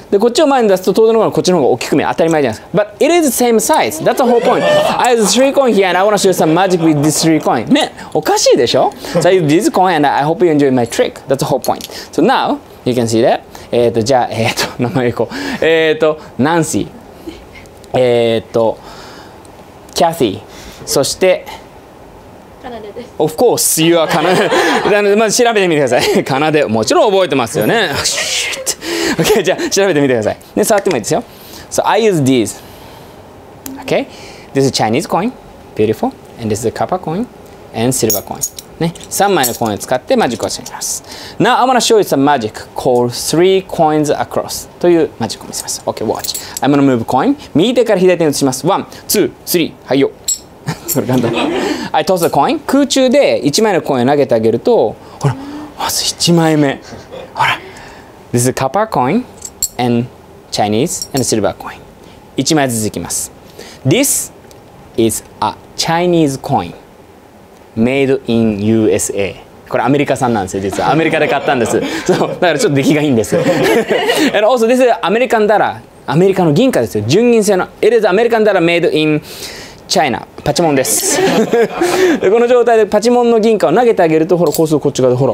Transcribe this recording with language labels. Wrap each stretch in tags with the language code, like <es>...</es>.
<ja>で、こっちを前に出すと、当然のものはこっちの方が大きく見える。当たり前じゃないですか。</ja> <en>But it is the same size. That's the whole point. I use three coins here and I want to show you some magic with these three coins.</en> <ja>ね、おかしいでしょ</ja> <en>?So I use this coin and I hope you enjoy my trick. That's the whole point. So now, you can see that.</en> <ja>じゃあ、名前行こう。ナンシー。キャシー。そして、</ja> <en>Of course, you are Kanade.</en> <ja>なので、まず調べてみてください。Kanade、もちろん覚えてますよね。</ja> <en>Okay,</en> <ja>じゃあ調べてみてください。で、触ってもいいですよ。</ja> <en>So I use these. Okay? This is Chinese coin. Beautiful. And this is a copper coin. And silver coin. ね。</en> <ja>3枚のコインを使ってマジックをしてみます。</ja> <en>Now I'm gonna show you some magic called three coins across.</en> <ja>というマジックを見せます。</ja> <en>Okay, watch. I'm gonna move coin.</en> <ja>右手から左手に移します。</ja> <en>One, two, three.</en> <ja>はいよ。これ簡単だ。</ja> <en>I toss the coin.</en> <ja>空中で1枚のコインを投げてあげると、ほら、まず1枚目。ほら。</ja> <en>This is a copper coin and Chinese and a silver coin.</en> <ja>1枚ずついきます。</ja> <en>This is a Chinese coin made in USA.</en> <ja>これアメリカ産なんですよ、実は。アメリカで買ったんです。そう、だからちょっと出来がいいんです。</ja> <en>and also, this is American dollar.</en> <ja>アメリカの銀貨ですよ。純銀製の。</ja> <en>It is American dollar made in China.</en> <ja>パチモンです。でこの状態でパチモンの銀貨を投げてあげると、ほら、こうするとこっち側で、ほら。</ja>